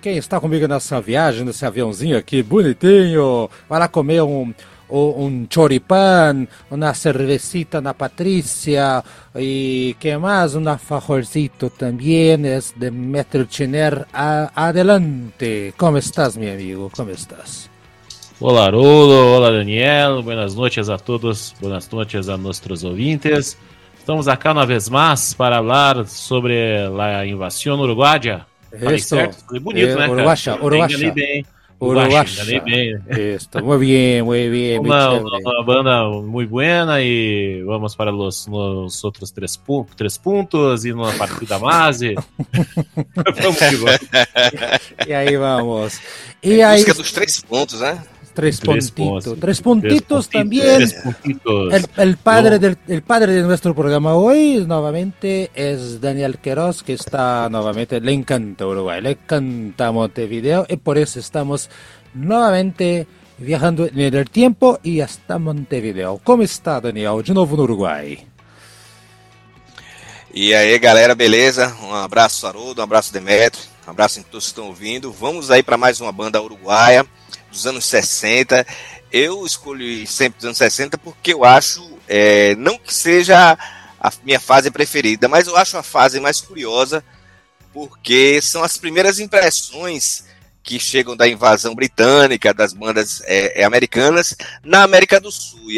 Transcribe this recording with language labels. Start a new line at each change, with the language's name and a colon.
Portuguese: Quem está comigo nessa viagem, nesse aviãozinho aqui bonitinho, vai lá comer um choripan, uma cervecita na Patrícia e que mais? Um alfajorzito também, é de Metro Chiner.
Spanish: Adelante! Como estás,
Portuguese: meu amigo?
Spanish: Como estás?
Portuguese: Olá, Haroldo. Olá, Daniel. Boas noites a todos. Boas noites a nossos ouvintes.
Spanish: Estamos acá una vez más para hablar sobre la invasión uruguaya. Eso. Muy bonito, ¿no? Uruguaya, Uruguaya. Uruguaya. Esto, muy bien, muy bien. Una banda muy buena y vamos para los otros tres puntos y una partida más. Vamos que vamos. Y ahí vamos. Y ahí. Busca los tres puntos, ¿eh? Tres puntitos también. Tres puntitos. El padre de nuestro programa hoy, nuevamente, es Daniel Queiroz, que está nuevamente, le encanta Uruguay, le encanta Montevideo, y por eso estamos nuevamente viajando en el tiempo y hasta Montevideo. ¿Cómo está, Daniel, de nuevo en Uruguay?
Portuguese: E aí, galera, beleza? Um abraço, Haroldo, um abraço, Demetrio, um abraço em todos que estão ouvindo. Vamos aí para mais uma banda uruguaia dos anos 60. Eu escolhi sempre dos anos 60 porque eu acho, não que seja a minha fase preferida, mas eu acho a fase mais curiosa porque são as primeiras impressões que chegam da invasão britânica, das bandas americanas na América do Sul.